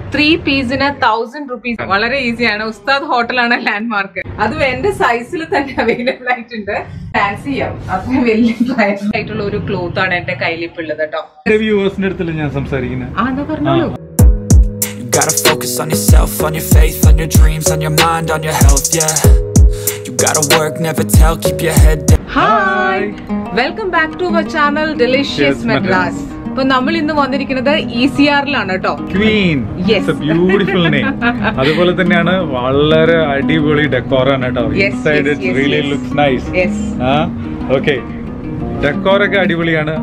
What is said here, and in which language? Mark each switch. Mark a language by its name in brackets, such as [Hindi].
[Malayalam] 3 പീസിന് 1000 rupees വളരെ ഈസിയാണ്. ഉസ്താദ് ഹോട്ടലാണ് ലാൻഡ്മാർക്ക്. അതും എന്റെ സൈസിൽ തന്നെ അവൈലബിൾ ആയിട്ടുണ്ട്. ഫാൻസി ആവും, അത്ര വലിയ ഫ്ലാൻസി ആയിട്ടുള്ള ഒരു ക്ലോത്ത് ആണ് എന്റെ കയ്യിലിപ്പുള്ളത് കേട്ടോ. ഞാൻ സംസാരിക്കുന്നത് [English] gotta focus on yourself, on your faith, on your dreams, on your mind, on your health, yeah. You gotta work, never tell, keep your head down. Hi! Welcome back to our channel, Delicious Madras. [Malayalam] അപ്പൊ നമ്മൾ ഇന്ന് വന്നിരിക്കുന്നത് ECR-ലാണ് കേട്ടോ. [English] Queen, yes, beautiful name. [Malayalam] അതുപോലെ തന്നെയാണ് വളരെ അടിപൊളി ഡെക്കോറാണ് കേട്ടോ. [English] Inside it really looks nice. Okay, [Malayalam] ഡെക്കോറൊക്കെ അടിപൊളിയാണ്.